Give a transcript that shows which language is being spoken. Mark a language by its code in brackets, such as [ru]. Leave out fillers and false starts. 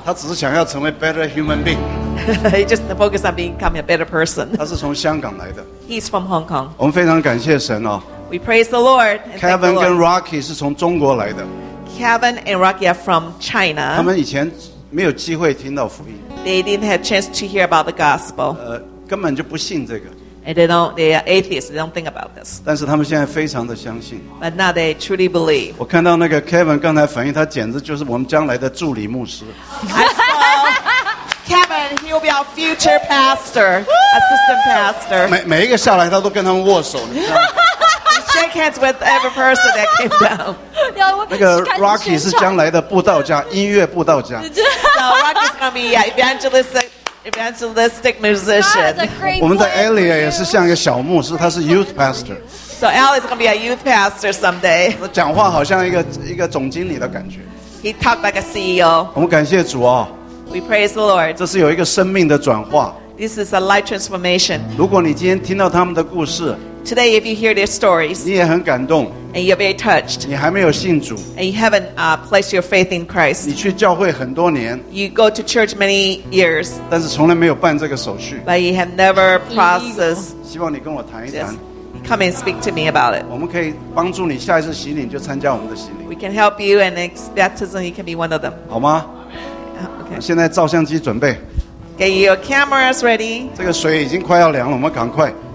[zh] 他只是想要成为 [en] better human being. He just focused on becoming a better person. [zh] 他是从香港来的, [en] he's from Hong Kong. [zh] 我们非常感谢神哦, [en] we praise the Lord. [zh] Kevin and Rocky 是从中国来的, [en] Kevin and Rocky are from China. [zh] 他们以前没有机会听到福音, [en] they didn't have a chance to hear about the gospel. [zh] 根本就不信这个, [en] and they are atheists, they don't think about this. [zh] 但是他们现在非常的相信, [en] but now they truly believe. [zh] 我看到那个Kevin刚才反应, 他简直就是我们将来的助理牧师。 [en] I saw Kevin, he will be our future pastor, assistant pastor. [zh] 每一个下来他都跟他们握手, [en] shake hands with every person that came down. [zh] 那个Rocky是将来的布道家, 音乐布道家。 [en] So Rocky's going to be an evangelist, evangelistic musician. [zh] 我们的Elia也是像一个小牧师, 他是 [en] youth pastor. So Elia is going to be a youth pastor someday. [zh] 讲话好像一个总经理的感觉, [en] he talked like a CEO. [zh] 我们感谢主哦, [en] we praise the Lord. [zh] 这是有一个生命的转化, [en] this is a life transformation. [zh] 如果你今天听到他们的故事, [en] today if you hear their stories, [zh] 你也很感动, [en] and you're very touched, [zh] 你还没有信主, [en] and you haven't placed your faith in Christ, [zh] 你去教会很多年, [en] you go to church many years, [zh] 但是从来没有办这个手续, [en] but you have never processed, [zh] 希望你跟我谈一谈, [en] just come and speak to me about it. [zh] 我们可以帮助你下一次洗礼就参加我们的洗礼, [en] we can help you, and next baptism you can be one of them. [zh] 好吗? [en] Okay. [zh] 现在照相机准备, [en] get your cameras ready. [zh] 这个水已经快要凉了, 我们赶快,